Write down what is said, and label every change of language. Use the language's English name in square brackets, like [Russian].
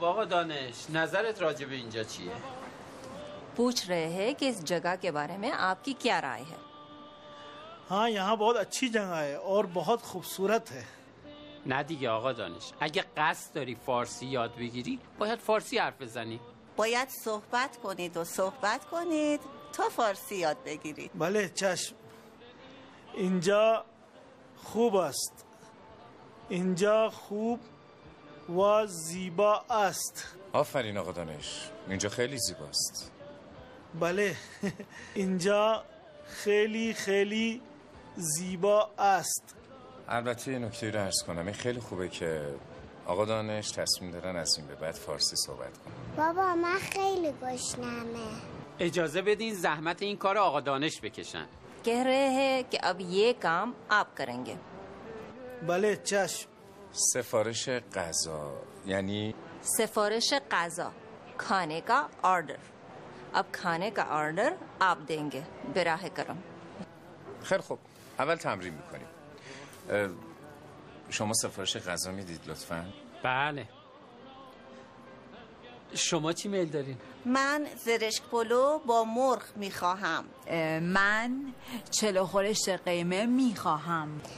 [Persian] دانش نظرت راجع به اینجا چیه؟ [Urdu] پوچھ رہے ہیں کہ اس جگہ کے بارے میں آپ کی کیا رائے ہے؟ ہاں یہاں بہت اچھی جگہ ہے اور بہت خوبصورت ہے. [Persian] نہ دیگه آقا دانش، اگه قصد داری فارسی یاد بگیری باید فارسی حرف بزنی. باید صحبت کنید و صحبت کنید تا فارسی یاد بگیرید. بله چشم، اینجا خوب است. اینجا خوب و زیبا است. آفرین آقا دانش، اینجا خیلی زیباست. بله اینجا خیلی خیلی زیبا است. البته یه نکته رو عرض کنم، این خیلی خوبه که آقا دانش تصمیم دارن از این به بعد فارسی صحبت کنن. بابا من خیلی گشنمه. اجازه بدین زحمت این کار آقا دانش بکشن. [Urdu] کہہ رہے ہیں کہ اب یہ کام آپ کریں گے. [Persian] بله چشم، سفارش غذا یعنی؟ سفارش غذا، [Urdu] کھانے کا آرڈر. اب کھانے کا آرڈر آپ دیں گے براہ کرم. [Persian] خیلی خوب، اول تمرین میکنیم. شما سفارش غذا میدید لطفا؟ بله. شما چی میل دارین؟ من زرشک پلو با مرغ میخواهم. من چلو خورشت قیمه میخواهم.